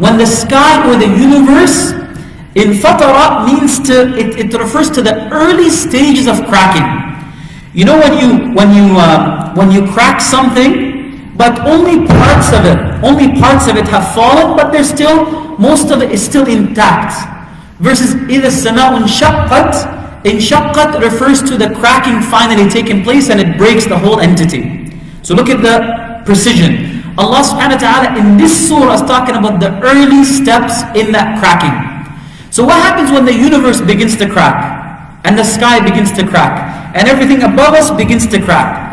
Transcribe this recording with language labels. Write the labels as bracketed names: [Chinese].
[English] When the sky or the universe, in fatara means to, it refers to the early stages of cracking. You know when you crack something, but only parts of it have fallen, but there's still, most of it is still intact. Versus [Arabic] إِذَا السَّمَاءُ انشَقَّتْ. [English] انشَقَّتْ refers to the cracking finally taking place and it breaks the whole entity. So look at the precision. Allah subhanahu wa ta'ala in this surah is talking about the early steps in that cracking. So what happens when the universe begins to crack? And the sky begins to crack, and everything above us begins to crack.